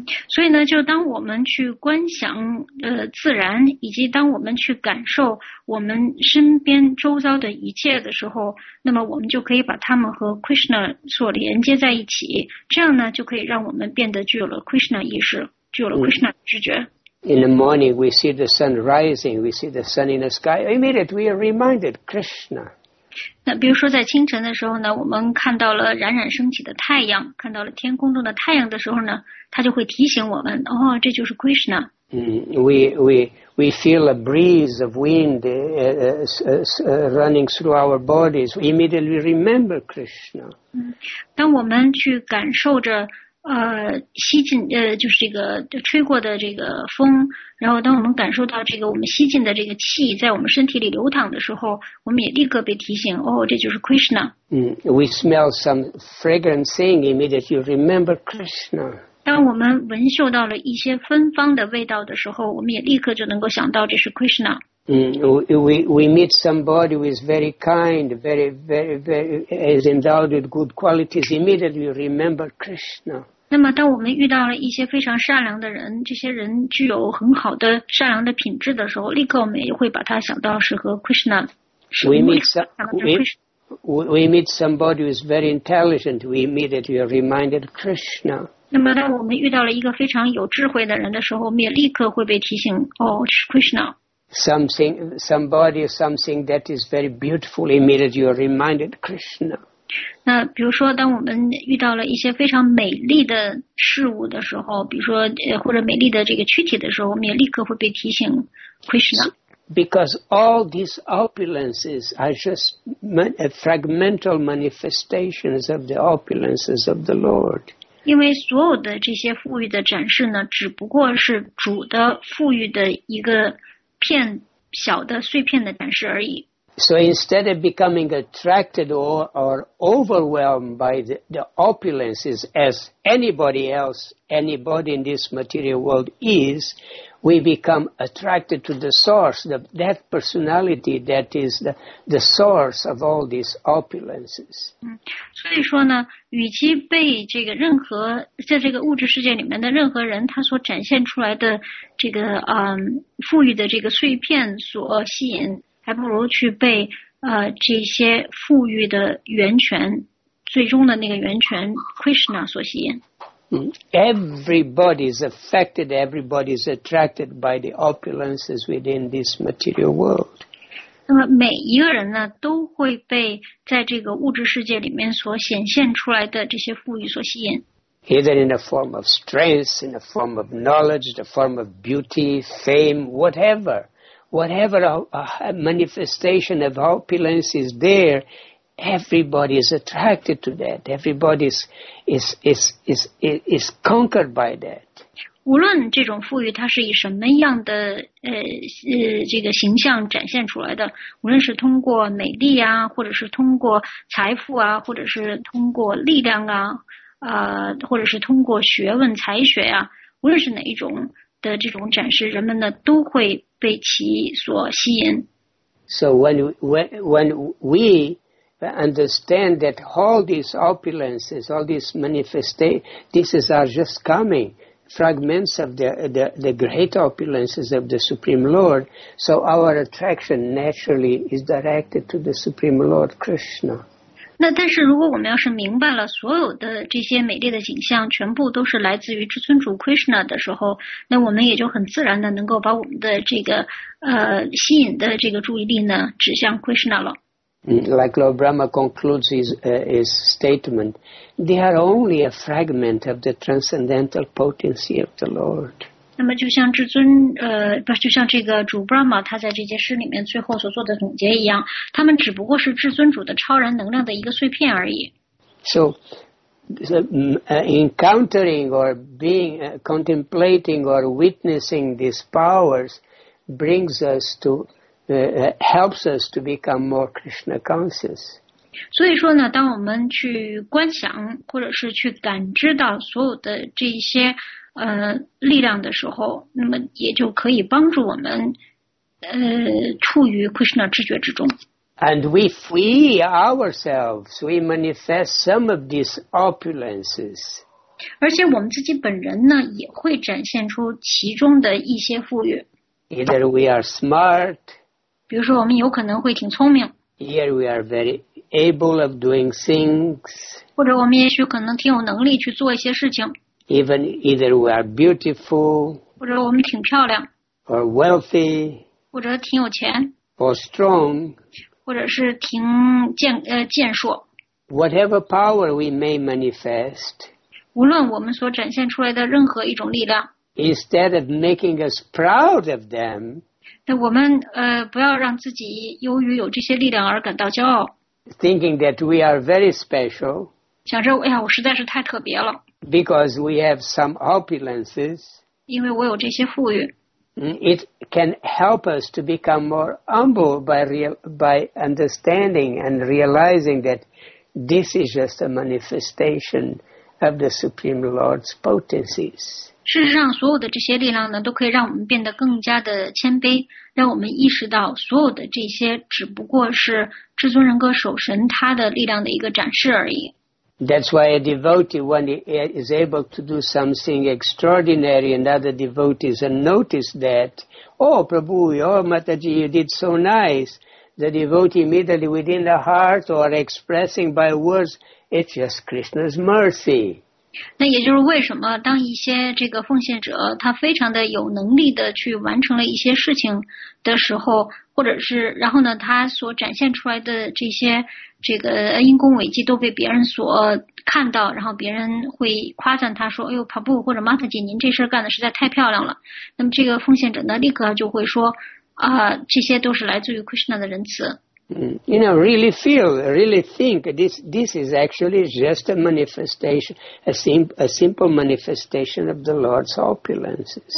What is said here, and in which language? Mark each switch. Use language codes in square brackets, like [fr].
[zh] 所以呢，就当我们去观想自然，以及当我们去感受我们身边周遭的一切的时候，那么我们就可以把它们和 Krishna 所连接在一起。这样呢，就可以让我们变得具有了 Krishna 意识，具有了 Krishna 知觉。 [en] In the morning, we see the sun rising. We see the sun in the sky. Immediately, we are reminded Krishna. [zh] 那比如说在清晨的时候呢，我们看到了冉冉升起的太阳，看到了天空中的太阳的时候呢，它就会提醒我们，哦，这就是 Krishna。 [en] We feel a breeze of wind running through our bodies. We immediately remember Krishna. [zh] 当我们去感受着吸进就是这个吹过的这个风，然后当我们感受到这个我们吸进的这个气在我们身体里流淌的时候，我们也立刻被提醒，哦，这就是 Krishna。 [en] We smell some fragrant thing, immediately remember Krishna. [zh] 当我们闻嗅到了一些芬芳的味道的时候，我们也立刻就能够想到这是 Krishna。 [en] We meet somebody who is very kind, very, very, very, is endowed with good qualities. Immediately, you remember Krishna. [zh] 那么，当我们遇到了一些非常善良的人，这些人具有很好的善良的品质的时候，立刻我们也会把他想到是和 Krishna。 [en] We meet somebody who is very intelligent. We immediately are reminded Krishna. [zh] 那么当我们遇到了一个非常有智慧的人的时候，我们也立刻会被提醒，哦，是 Krishna。 [en] Something that is very beautiful, immediately you are reminded Krishna. [zh] 那比如说当我们遇到了一些非常美丽的事物的时候，比如说或者美丽的这个躯体的时候，我们也立刻会被提醒 Krishna。 [en] Because all these opulences are just fragmental manifestations of the opulences of the Lord. [zh] 因为所有的这些富裕的展示呢，只不过是主的富裕的一个片小的碎片的展示而已。 [en] So instead of becoming attracted or overwhelmed by the opulences as anybody else, anybody in this material world is, we become attracted to the source, that personality that is the source of all these opulences. [zh] 所以说呢，与其被这个任何在这个物质世界里面的任何人他所展现出来的这个富裕的这个碎片所吸引。还不如去被这些富裕的源泉，最终的那个源泉 Krishna 所吸引。 [en] Everybody is affected. Everybody is attracted by the opulences within this material world. [zh] 那么每一个人呢，都会被在这个物质世界里面所显现出来的这些富裕所吸引。 [en] Either in the form of strength, in the form of knowledge, the form of beauty, fame, whatever. Whatever a manifestation of opulence is there, everybody is attracted to that. Everybody is conquered by that. [zh] 无论这种富裕它是以什么样的这个形象展现出来的，无论是通过美丽啊，或者是通过财富啊，或者是通过力量啊，或者是通过学问才学啊，无论是哪一种的这种展示，人们呢都会。被其所吸引。 [en] So when we understand that all these opulences, all these manifestations, this is are just coming, fragments of the great opulences of the Supreme Lord, so our attraction naturally is directed to the Supreme Lord Krishna. [zh] 那但是如果我们要是明白了所有的这些美丽的景象全部都是来自于至尊主 Krishna 的时候，那我们也就很自然的能够把我们的这个吸引的这个注意力呢指向 Krishna 了。 [en] Like Lord Brahma concludes his statement, they are only a fragment of the transcendental potency of the Lord. [zh] 那么就像至尊就像这个主 Brahma 他在这些诗里面最后所做的总结一样，他们只不过是至尊主的超然能量的一个碎片而已。 [en] So, encountering or being contemplating or witnessing these powers brings us to helps us to become more Krishna conscious. [zh] 所以说呢，当我们去观想或者是去感知到所有的这些力量的时候，那么也就可以帮助我们处于 Krishna 知觉之中。 [en] And we free ourselves, we manifest some of these opulences. [zh] 而且我们自己本人呢，也会展现出其中的一些富裕。 [en] Either we are smart. [zh] 比如说我们有可能会挺聪明。 [en] Here we are very able of doing things. [zh] 或者我们也许可能挺有能力去做一些事情。 [en] Even either we are beautiful, [zh] 或者我们挺漂亮, [en] or wealthy, [zh] 或者挺有钱, [en] or strong, [zh] 或者是挺健硕。 [en] Whatever power we may manifest, [zh] 无论我们所展现出来的任何一种力量, [en] instead of making us proud of them, [zh] 那我们不要让自己由于有这些力量而感到骄傲, [en] thinking that we are very special, [zh] 想着哎呀我实在是太特别了。 [en] Because we have some opulences, [zh] 因为我有这些富裕 [en] it can help us to become more humble by understanding and realizing that this is just a manifestation of the Supreme Lord's potencies. [zh] 事实上，所有的这些力量呢，都可以让我们变得更加的谦卑，让我们意识到所有的这些只不过是至尊人格守神他的力量的一个展示而已。 [en] That's why a devotee, when he is able to do something extraordinary and other devotees and notice that, oh Prabhu, oh Mataji, you did so nice, the devotee immediately within the heart or expressing by words, it's just Krishna's mercy. [zh] 那也就是为什么当一些这个奉献者他非常的有能力的去完成了一些事情的时候或者是然后呢他所展现出来的这些这个因功伟绩都被别人所看到然后别人会夸赞他说哎呦Prabhu或者Mataji您这事干的实在太漂亮了那么这个奉献者呢立刻就会说这些都是来自于 Krishna 的仁慈。 [en] You know, really feel, really think, this is actually just a manifestation, a simple manifestation of the Lord's opulences.